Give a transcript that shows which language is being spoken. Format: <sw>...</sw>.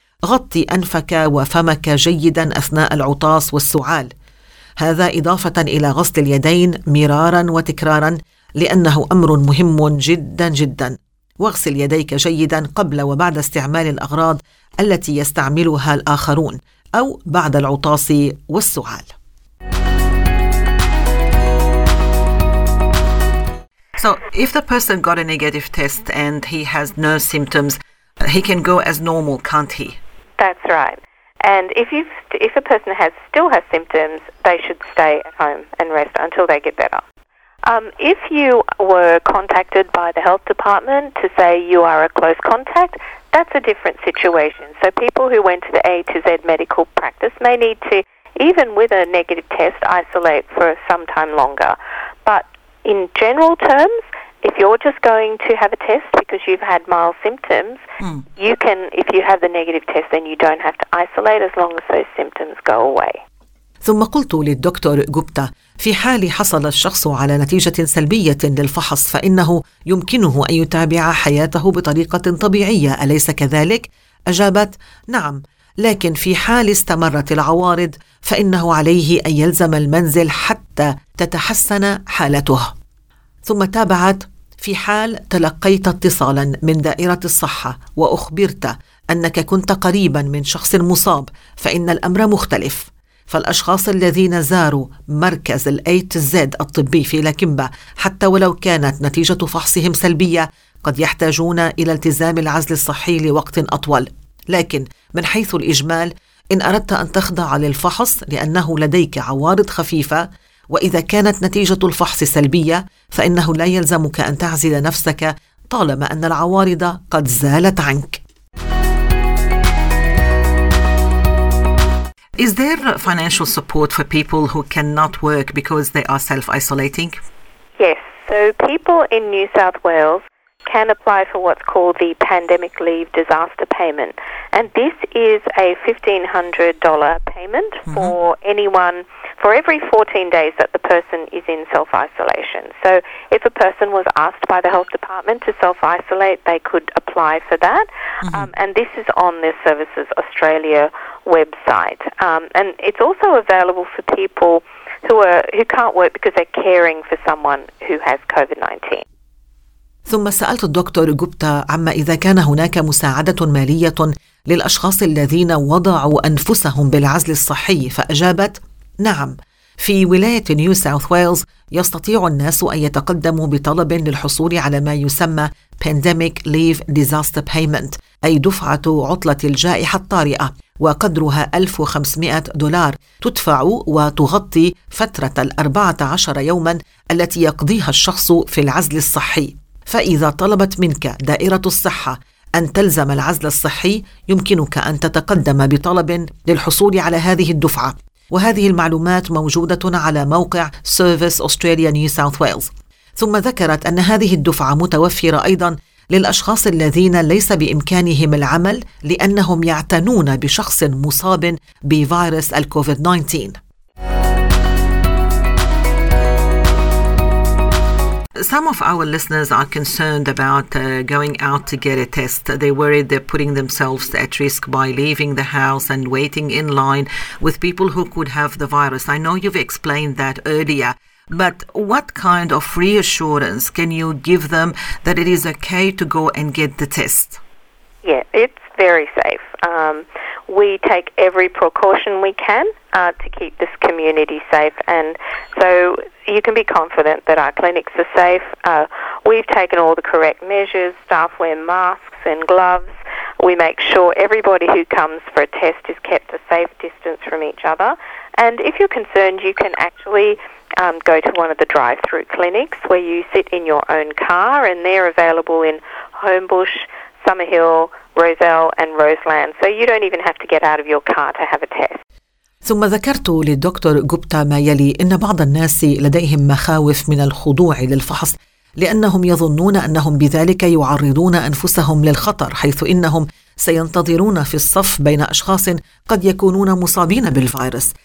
<ar>غطي أنفك وفمك جيدا أثناء العطاس والسعال، هذا إضافة إلى غسل اليدين مرارا وتكرارا لأنه أمر مهم جدا جدا. واغسل يديك جيدا قبل وبعد استعمال الأغراض التي يستعملها الآخرون أو بعد العطاس والسعال.</ar> <en>So if the person got a negative test and he has no symptoms, he can go as normal, can't he? That's right. And if a person still has symptoms, they should stay at home and rest until they get better. If you were contacted by the health department to say you are a close contact, that's a different situation. So people who went to the A to Z medical practice may need to, even with a negative test, isolate for some time longer. But in general terms, if you're just going to have a test because you've had mild symptoms, you can, if you have the negative test, then you don't have to isolate as long as those symptoms go away.</en> <ar>ثم قلت للدكتور جوبتا: في حال حصل الشخص على نتيجة سلبية للفحص فإنه يمكنه أن يتابع حياته بطريقة طبيعية، أليس كذلك؟ أجابت: نعم، لكن في حال استمرت العوارض فإنه عليه أن يلزم المنزل حتى تتحسن حالته. ثم تابعت: في حال تلقيت اتصالا من دائرة الصحة وأخبرت أنك كنت قريبا من شخص مصاب فإن الأمر مختلف، فالأشخاص الذين زاروا مركز الأي تو زد الطبي في لاكيمبا حتى ولو كانت نتيجة فحصهم سلبية قد يحتاجون إلى التزام العزل الصحي لوقت أطول. لكن من حيث الإجمال، إن أردت أن تخضع للفحص لأنه لديك عوارض خفيفة وإذا كانت نتيجة الفحص سلبية، فإنه لا يلزمك أن تعزل نفسك طالما أن العوارض قد زالت عنك.</ar> <en>Is there financial support for people who cannot work because they are self-isolating? Yes. So people in New South Wales can apply for what's called the Pandemic Leave Disaster Payment. And this is a $1,500 payment for anyone for every 14 days that the person is in self-isolation. So if a person was asked by the health department to self-isolate, they could apply for that. And this is on the Services Australia website. And it's also available for people who can't work because they're caring for someone who has COVID-19.</en> <ar>ثم سألت الدكتور جوبتا عما إذا كان هناك مساعدة مالية للأشخاص الذين وضعوا أنفسهم بالعزل الصحي، فأجابت: نعم، في ولاية نيو ساوث ويلز يستطيع الناس أن يتقدموا بطلب للحصول على ما يسمى Pandemic Leave Disaster Payment، أي دفعة عطلة الجائحة الطارئة، وقدرها $1,500 تدفع وتغطي فترة 14 يوما التي يقضيها الشخص في العزل الصحي. فإذا طلبت منك دائرة الصحة أن تلزم العزل الصحي يمكنك أن تتقدم بطلب للحصول على هذه الدفعة، وهذه المعلومات موجودة على موقع Service Australia New South Wales. ثم ذكرت أن هذه الدفعة متوفرة أيضاً للأشخاص الذين ليس بإمكانهم العمل لأنهم يعتنون بشخص مصاب بفيروس الكوفيد 19.</ar> <en>Some of our listeners are concerned about going out to get a test. They're worried they're putting themselves at risk by leaving the house and waiting in line with people who could have the virus. I know you've explained that earlier, but what kind of reassurance can you give them that it is okay to go and get the test? Yeah, it's very safe. We take every precaution we can to keep this community safe, and so you can be confident that our clinics are safe. We've taken all the correct measures. Staff wear masks and gloves. We make sure everybody who comes for a test is kept a safe distance from each other. And if you're concerned, you can actually go to one of the drive-through clinics where you sit in your own car, and they're available in Homebush, Summerhill, Roselle and Roseland. So you don't even have to get out of your car to have a test.</en> <ar>ثم ذكرت للدكتور جوبتا ما يلي إن بعض الناس لديهم مخاوف من الخضوع للفحص لأنهم يظنون أنهم بذلك يعرضون أنفسهم للخطر، حيث إنهم سينتظرون في الصف بين أشخاص قد يكونون مصابين بالفيروس.</ar>